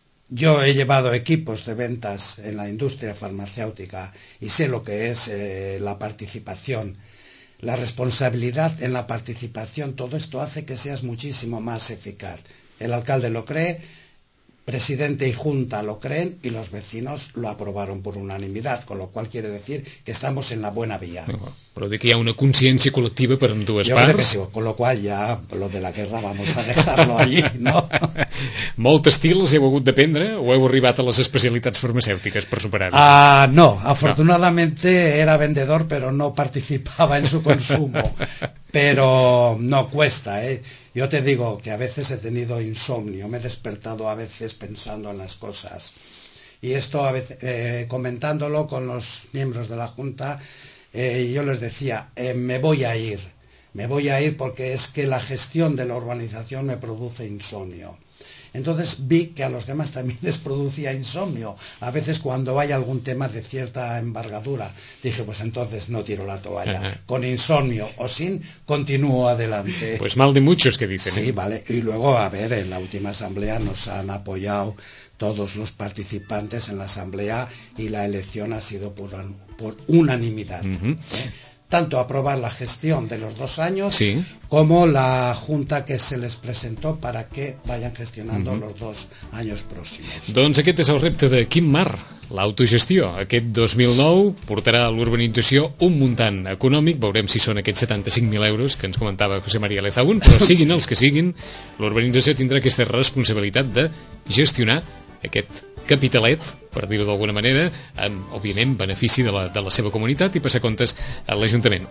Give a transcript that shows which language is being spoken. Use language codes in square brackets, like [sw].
[es] Yo he llevado equipos de ventas en la industria farmacéutica y sé lo que es la participación. La responsabilidad en la participación, todo esto hace que seas muchísimo más eficaz. El alcalde lo cree, presidente y junta lo creen y los vecinos lo aprobaron por unanimidad, con lo cual quiere decir que estamos en la buena vía. [ca] Però dic que hi ha una consciència col·lectiva per amb dues parts. Jo crec que sí, [es] con lo cual ya lo de la guerra vamos a dejarlo allí, ¿no? [ca] Molt estil els heu hagut d'aprendre o heu arribat a les especialitats farmacèutiques per superar-ho? [es] No, afortunadamente era vendedor pero no participaba en su consumo. Pero no cuesta, ¿eh? Yo te digo que a veces he tenido insomnio, me he despertado a veces pensando en las cosas. Y esto a veces, comentándolo con los miembros de la Junta, yo les decía, me voy a ir porque es que la gestión de la urbanización me produce insomnio. Entonces vi que a los demás también les producía insomnio. A veces cuando hay algún tema de cierta envergadura, dije, pues entonces no tiro la toalla. Con insomnio o sin, continúo adelante. Pues mal de muchos que dicen. Sí, vale. Y luego, a ver, en la última asamblea nos han apoyado todos los participantes en la asamblea y la elección ha sido por unanimidad. Tanto aprobar la gestión de los dos años sí. como la junta que se les presentó para que vayan gestionando los dos años próximos. [ca] Doncs aquest és el repte de Quimmar, l'autogestió. Aquest 2009 portarà a l'urbanització un muntant econòmic, veurem si són aquests 75.000 euros que ens comentava José María Lezagún, però siguin els que siguin, l'urbanització tindrà aquesta responsabilitat de gestionar aquest capitalet, per dir-ho d'alguna manera, amb, òbviament, benefici de la seva comunitat i passar comptes a l'Ajuntament.